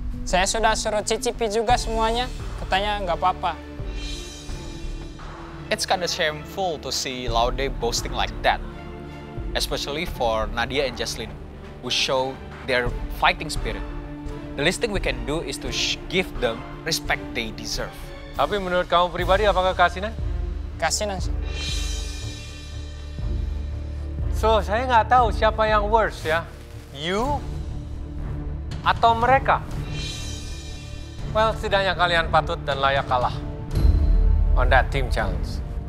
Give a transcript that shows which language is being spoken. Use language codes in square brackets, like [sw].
[id] Saya sudah suruh cicipi juga semuanya. Katanya nggak apa-apa. [en] It's kind of shameful to see Laude boasting like that. Especially for Nadia and Jaslyn, who show their fighting spirit. The least thing we can do is to give them respect they deserve. [id] Tapi menurut kamu pribadi, apakah kasihan? Kasihan sih. So, saya nggak tahu siapa yang worse ya. You atau mereka? Well, setidaknya kalian patut dan layak kalah [en] on that team challenge.